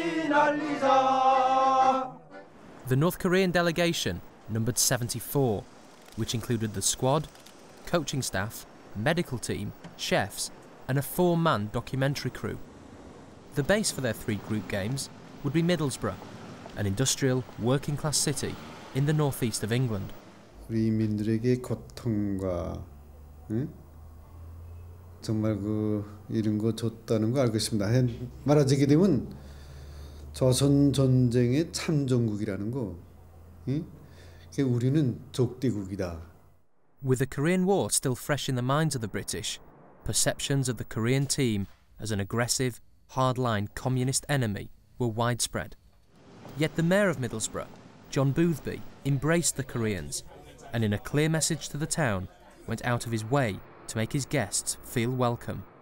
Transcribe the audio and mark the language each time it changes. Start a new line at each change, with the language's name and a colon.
English: The North Korean delegation numbered 74, which included the squad, coaching staff, medical team, chefs, and a four-man documentary crew. The base for their three group games would be Middlesbrough, an industrial, working-class city in the northeast of England.
Korean: 국민들에게 고통과 정말 그 이런 거 줬다는 거 알고 있습니다. 말하자기 되면 조선 전쟁의 참전국이라는 거. 응? 우리는 적대국이다.
English: With the Korean War still fresh in the minds of the British, perceptions of the Korean team as an aggressive, hardline communist enemy were widespread. Yet the mayor of Middlesbrough, John Boothby, embraced the Koreans and in a clear message to the town, went out of his way to make his guests feel welcome.